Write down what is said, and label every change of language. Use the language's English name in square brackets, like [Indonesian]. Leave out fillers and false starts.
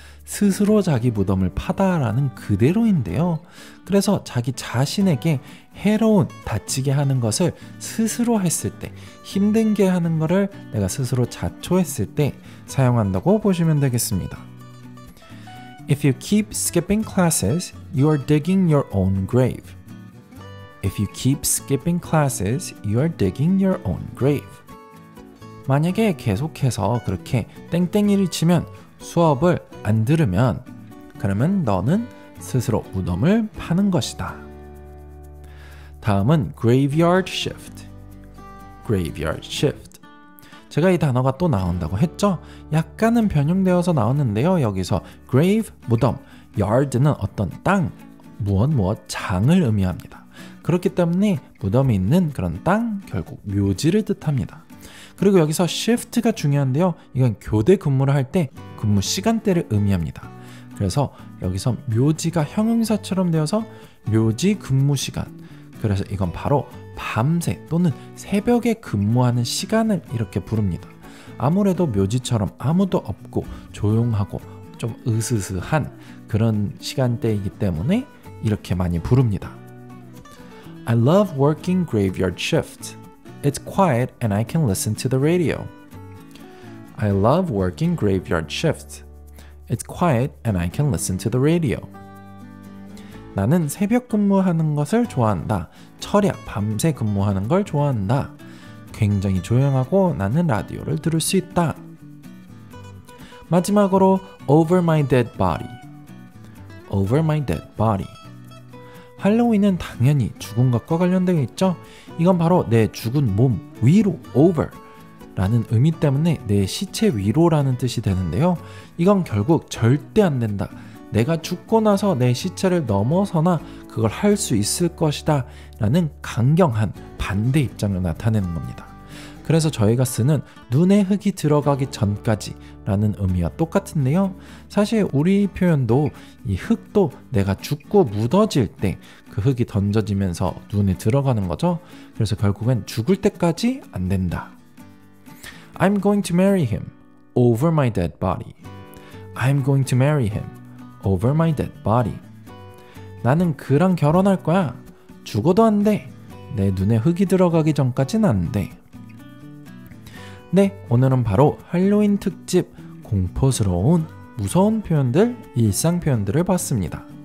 [Korean] 스스로 자기 무덤을 파다라는 그대로인데요. 그래서 자기 자신에게 해로운 다치게 하는 것을 스스로 했을 때 힘든 게 하는 것을 내가 스스로 자초했을 때 사용한다고 보시면 되겠습니다. [English] If you keep skipping classes, you are digging your own grave. If you keep skipping classes, you are digging your own grave. [Korean] 만약에 계속해서 그렇게 땡땡이를 치면 수업을 안 들으면 그러면 너는 스스로 무덤을 파는 것이다. 다음은 [English] graveyard shift. graveyard shift. [Korean] 제가 이 단어가 또 나온다고 했죠? 약간은 변형되어서 나왔는데요. 여기서 grave, 무덤, yard는 어떤 땅, 무엇 무엇 장을 의미합니다. 그렇기 때문에 무덤이 있는 그런 땅, 결국 묘지를 뜻합니다. 그리고 여기서 shift가 중요한데요. 이건 교대 근무를 할 때 근무 시간대를 의미합니다. 그래서 여기서 묘지가 형용사처럼 되어서 묘지 근무 시간. 그래서 이건 바로 밤새 또는 새벽에 근무하는 시간을 이렇게 부릅니다. 아무래도 묘지처럼 아무도 없고 조용하고 좀 으스스한 그런 시간대이기 때문에 이렇게 많이 부릅니다. [English] I love working graveyard shifts. It's quiet and I can listen to the radio. I love working graveyard shifts. It's quiet and I can listen to the radio. [Korean] 나는 새벽 근무하는 것을 좋아한다. 철야 밤새 근무하는 걸 좋아한다. 굉장히 조용하고 나는 라디오를 들을 수 있다. 마지막으로 [English] over my dead body. Over my dead body. [Korean] 할로윈은 당연히 죽은 것과 관련되어 있죠. 이건 바로 내 죽은 몸 위로 over 라는 의미 때문에 내 시체 위로라는 뜻이 되는데요. 이건 결국 절대 안 된다. 내가 죽고 나서 내 시체를 넘어서나 그걸 할 수 있을 것이다 라는 강경한 반대 입장을 나타내는 겁니다. 그래서 저희가 쓰는 눈에 흙이 들어가기 전까지 라는 의미와 똑같은데요. 사실 우리 표현도 이 흙도 내가 죽고 묻어질 때 그 흙이 던져지면서 눈에 들어가는 거죠. 그래서 결국엔 죽을 때까지 안 된다. [English] I'm going to marry him over my dead body. I'm going to marry him over my dead body. [Korean] 나는 그랑 결혼할 거야. 죽어도 안 돼. 내 눈에 흙이 들어가기 전까지는 안 돼. 네, 오늘은 바로 할로윈 특집 공포스러운 무서운 표현들, 일상 표현들을 봤습니다.